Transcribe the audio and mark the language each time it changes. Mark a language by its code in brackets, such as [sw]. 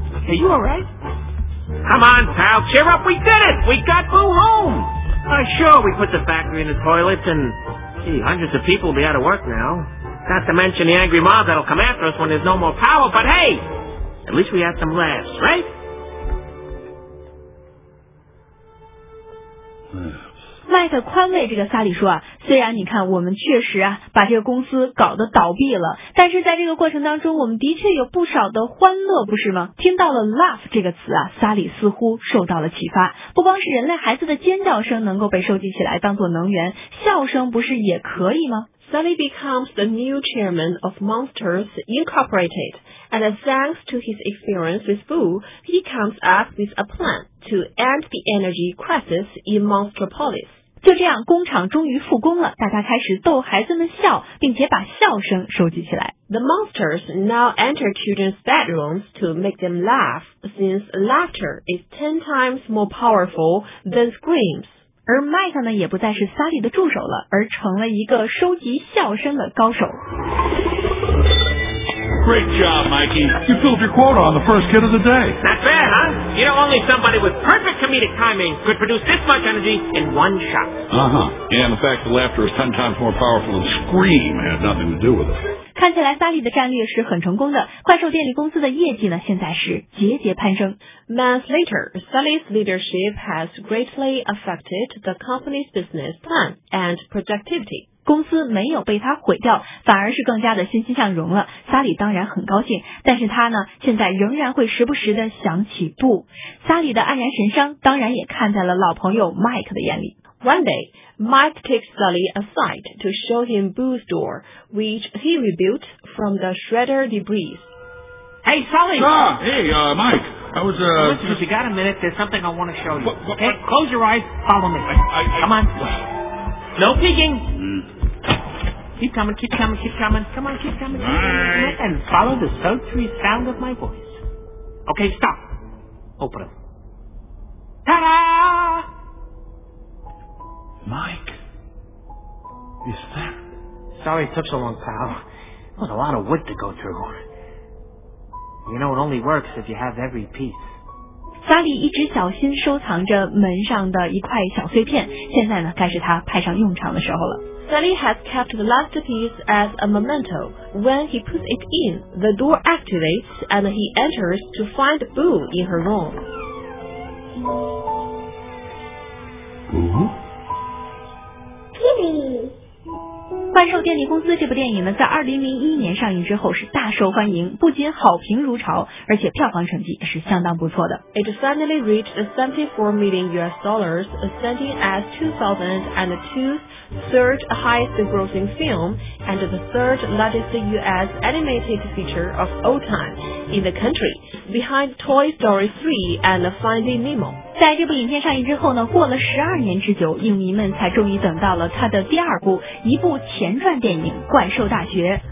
[en] Are you alright? Come on, pal, cheer up, we did it! We got Boo home! Sure, we put the factory in the toilets and, gee, hundreds of people will be out of work now. Not to mention the angry mob that'll come after us when there's no more power, but hey, at least we have some laughs, right? [zh] 麦克宽慰这个萨里说啊，虽然你看我们确实啊把这个公司搞得倒闭了，但是在这个过程当中我们的确有不少的欢乐，不是吗？听到了 laugh 这个词啊，萨里似乎受到了启发，不光是人类孩子的尖叫声能够被收集起来当做能源，笑声不是也可以吗？ [en] Sully becomes the new chairman of Monsters Incorporated, and thanks to his experience with Boo, he comes up with a plan to end the energy crisis in Monsterpolis. [zh] 就这样，工厂终于复工了，大家开始逗孩子们笑，并且把笑声收集起来。 [en] The monsters now enter children's bedrooms to make them laugh, since laughter is 10 times more powerful than screams. [zh] 而麦克呢也不再是萨利的助手了，而成了一个收集笑声的高手。 [en] Great job, Mikey. You filled your quota on the first kid of the day. Not bad, huh? You know, only somebody with perfect comedic timing could produce this much energy in one shot. Yeah, and the fact that laughter is 10 times more powerful than scream had nothing to do with it. [zh] 看起来萨利的战略是很成功的，怪兽电力公司的业绩呢现在是节节攀升。 [en] Months later, Sully's leadership has greatly affected the company's business plan and productivity. [zh] 公司没有被他毁掉，反而是更加的欣欣向荣了。萨利当然很高兴，但是他呢现在仍然会时不时的想起布。萨利的黯然神伤当然也看在了老朋友 Mike 的眼里。 [en] One day,Mike takes Sully aside to show him Boo's door, which he rebuilt from the shredder debris. Hey, Sully! Hey, Mike. I was... Listen, if you got a minute, there's something I want to show you. Okay, close your eyes, follow me. Come on. No peeking!、 Mm. Keep coming. Come on. And follow the sultry sound of my voice. Okay, stop. Open up. Ta-da! Mike, is that... Sorry it took so long, pal. It was a lot of wood to go through. You know, it only works if you have every piece. [zh] Sully 一直小心收藏着门上的一块小碎片，现在呢，该是他派上用场的时候了。 [en] Sully has kept the last piece as a memento. When he puts it in, the door activates and he enters to find Boo in her room. Boo? [zh] 怪兽电力公司这部电影呢，在2001年上映之后是大受欢迎，不仅好评如潮，而且票房成绩也是相当不错的。 [en] It finally reached $74 million, standing as 2002's third highest-grossing film and the third largest U.S. animated feature of all time in the country, behind Toy Story 3 and Finding Nemo. [zh] 在这部影片上映之后呢，过了12年之久，影迷们才终于等到了它的第二部，一部前传电影《怪兽大学》。